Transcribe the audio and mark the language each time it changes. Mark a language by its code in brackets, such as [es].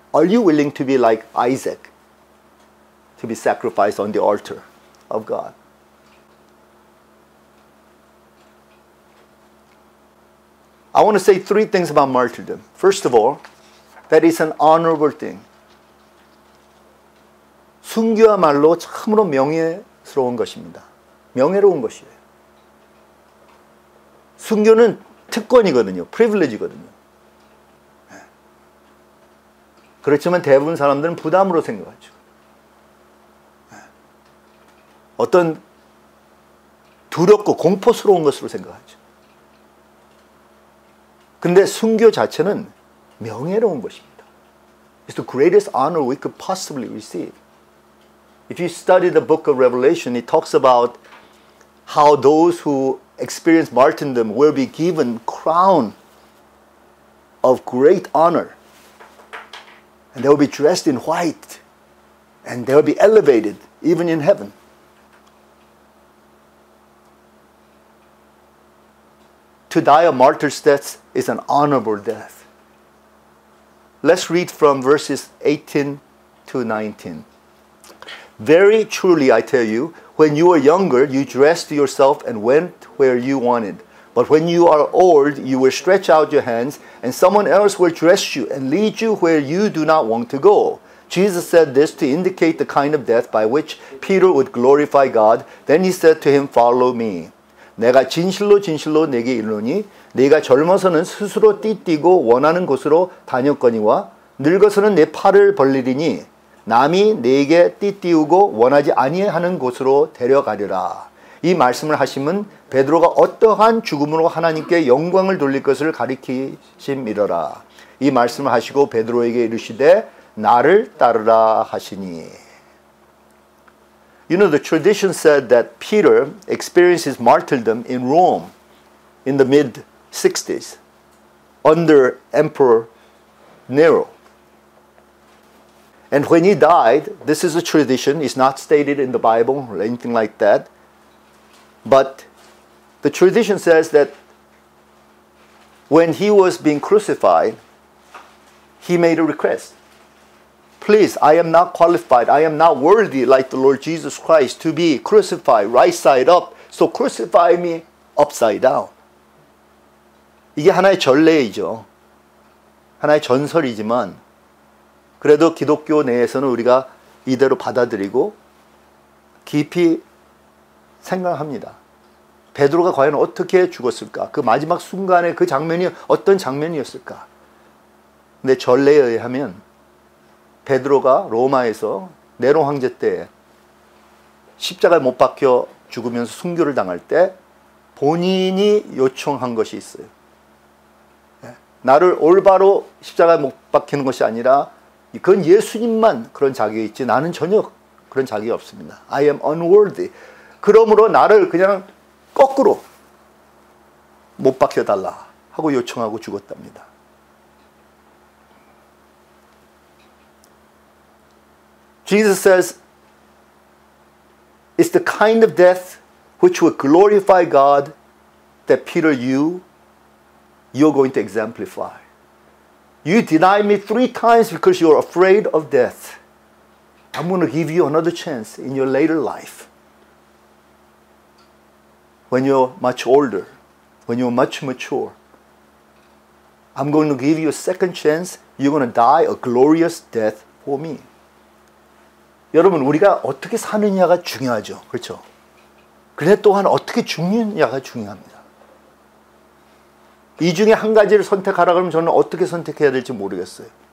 [en] Are you willing to be like Isaac, to be sacrificed on the altar of God? I want to say three things about martyrdom. First of all, that it's an honorable thing. [ko] 순교야말로 참으로 명예스러운 것입니다. 명예로운 것이에요. 순교는 특권이거든요. Privilege거든요. 그렇지만 대부분 사람들은 부담으로 생각하죠. 어떤 두렵고 공포스러운 것으로 생각하죠. 근데 순교 자체는 명예로운 것입니다. [en] It's the greatest honor we could possibly receive. If you study the book of Revelation, it talks about how those who experience martyrdom will be given crown of great honor. And they will be dressed in white. And they will be elevated even in heaven. 'To die a martyr's death is an honorable death. Let's read from verses 18 to 19. Very truly, I tell you, when you were younger, you dressed yourself and went where you wanted. But when you are old, you will stretch out your hands, and someone else will dress you and lead you where you do not want to go. Jesus said this to indicate the kind of death by which Peter would glorify God. Then he said to him, follow me. [ko] 내가 진실로 진실로 내게 이르노니 네가 젊어서는 스스로 띠띠고 원하는 곳으로 다녔거니와 늙어서는 내 팔을 벌리리니 남이 네게 띠띠우고 원하지 아니하는 곳으로 데려가리라. 이 말씀을 하심은 베드로가 어떠한 죽음으로 하나님께 영광을 돌릴 것을 가리키심이러라. 이 말씀을 하시고 베드로에게 이르시되 나를 따르라 하시니. [en] You know, the tradition said that Peter experienced his martyrdom in Rome in the mid-60s under Emperor Nero. And when he died, this is a tradition, it's not stated in the Bible or anything like that, but the tradition says that when he was being crucified, he made a request. Please, I am not qualified, I am not worthy like the Lord Jesus Christ to be crucified right side up, so crucify me upside down. [ko] 이게 하나의 전례이죠. 하나의 전설이지만 그래도 기독교 내에서는 우리가 이대로 받아들이고 깊이 생각합니다. 베드로가 과연 어떻게 죽었을까? 그 마지막 순간에 그 장면이 어떤 장면이었을까? 근데 전례에 의하면 베드로가 로마에서 네로 황제 때 십자가에 못 박혀 죽으면서 순교를 당할 때 본인이 요청한 것이 있어요. 나를 올바로 십자가에 못 박히는 것이 아니라 그건 예수님만 그런 자격이 있지 나는 전혀 그런 자격이 없습니다. [en] I am unworthy. [ko] 그러므로 나를 그냥 거꾸로 못 박혀달라 하고 요청하고 죽었답니다. [en] Jesus says, it's the kind of death which will glorify God that Peter, you're going to exemplify. You deny me three times because you're afraid of death. I'm going to give you another chance in your later life. When you're much older, when you're much mature, I'm going to give you a second chance. You're going to die a glorious death for me. [ko] 여러분, 우리가 어떻게 사느냐가 중요하죠. 그렇죠? 그런데 또한 어떻게 죽느냐가 중요합니다. 이 중에 한 가지를 선택하라 그러면 저는 어떻게 선택해야 될지 모르겠어요.